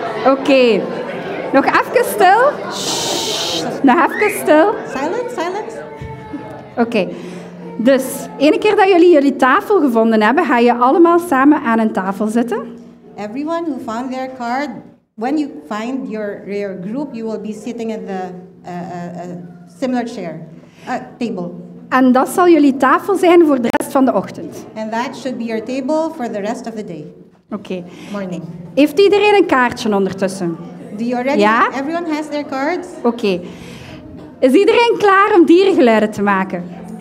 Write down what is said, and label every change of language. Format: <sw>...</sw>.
<nl>Oké. Okay. Nog even stil. Shh. Nog even stil.</nl> <en>Silence, silence.</en> <nl>Oké. Okay. Dus, ene keer dat jullie jullie tafel gevonden hebben, ga je allemaal samen aan een tafel zitten.</nl> <en>Everyone who found their card, when you find your group, you will be sitting in the similar chair, table.</en> <nl>En dat zal jullie tafel zijn voor de rest van de ochtend.</nl> <en>And that should be your table for the rest of the day.</en> <nl>Oké.</nl> <en>Okay. Morning.</en> <nl>Heeft iedereen een kaartje ondertussen?</nl> <en>Do you already?</en> <nl>Ja?</nl> <en>Everyone has their cards.</en> <nl>Oké. Okay. Is iedereen klaar om dierengeluiden te maken?</nl>